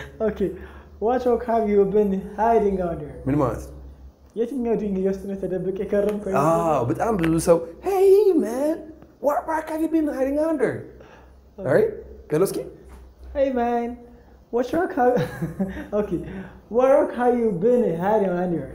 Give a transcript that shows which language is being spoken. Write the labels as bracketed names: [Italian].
[English] okay What rock have you been hiding under? [Amharic] ምን ማለት? የትኛው ድንጋይ ውስጥ ነው ተደብቀ ከረም ቆይ? አዎ በጣም ብዙ ሰው [English] Hey man, what rock have you been hiding under? All right? Kaloski? Hey man, what rock have you been hiding under?